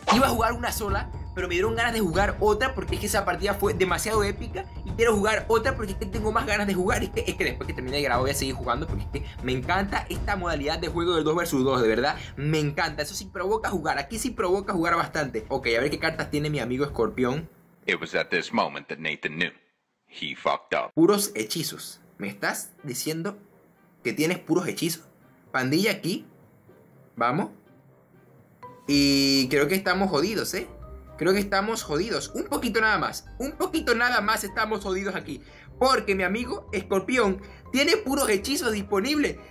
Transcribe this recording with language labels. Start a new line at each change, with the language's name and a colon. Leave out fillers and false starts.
Spanish: Iba a jugar una sola, pero me dieron ganas de jugar otra porque es que esa partida fue demasiado épica y quiero jugar otra porque es que tengo más ganas de jugar. Es que después que termine de grabar voy a seguir jugando porque es que me encanta esta modalidad de juego del 2 versus 2, de verdad, me encanta. Eso sí provoca jugar, aquí sí provoca jugar bastante. Ok, a ver qué cartas tiene mi amigo Escorpión.
English: It was at this moment that Nathan knew he fucked up.
Spanish: Puros hechizos, ¿me estás diciendo que tienes puros hechizos? Pandilla aquí, vamos. Y creo que estamos jodidos, ¿eh? Creo que estamos jodidos. Un poquito nada más. Un poquito nada más estamos jodidos aquí. Porque mi amigo Escorpión tiene puros hechizos disponibles.